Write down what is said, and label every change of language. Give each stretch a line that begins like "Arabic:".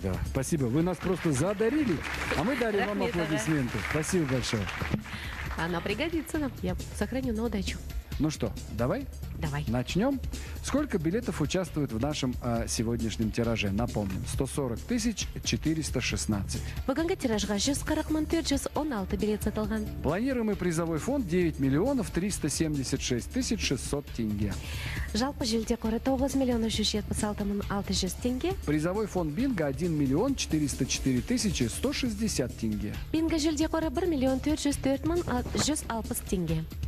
Russian: Да. Спасибо. Вы нас просто задарили, а мы дарим вам аплодисменты. Спасибо большое. Она пригодится нам. Я сохраню на удачу. Ну что, давай? Давай. Начнем. Сколько билетов участвует в нашем сегодняшнем тираже? Напомним, 140 416.
Kazakh: Бүгінгі тиражға 140 416 билет сатылған.
Russian: Планируемый призовой фонд 9 376 600 тенге.
Kazakh: Жалпы жүлде қоры 9 376 600 тенге.
Russian: Призовой фонд бинго 1 404 160 тенге.
Kazakh: Бинго жүлде қоры 1 404 160 тенге.